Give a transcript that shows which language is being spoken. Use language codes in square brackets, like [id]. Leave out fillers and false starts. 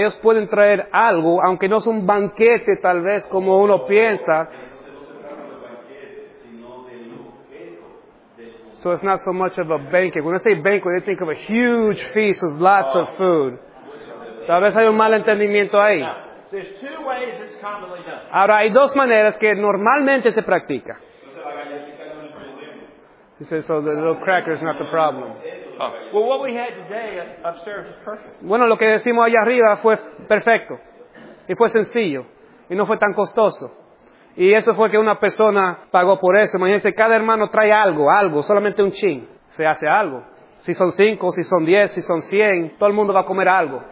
[es] Ellos pueden traer algo, aunque no es un banquete, tal vez, como uno piensa. [en] So it's not so much of a banquet. When I say banquet, they think of a huge feast with lots of food. [es] Tal vez hay un malentendimiento ahí. [en] Now, there's two ways it's commonly done. [es] Ahora, hay dos maneras que normalmente se practica. [en] He says, so the little cracker is not the problem. Oh. Well, what we had today upstairs was perfect. [es] Bueno, lo que decimos allá arriba fue perfecto. Y fue sencillo. Y no fue tan costoso. Y eso fue que una persona pagó por eso. Imagínense, cada hermano trae algo, solamente un chin. Se hace algo. Si son 5, si son 10, si son 100, todo el mundo va a comer algo.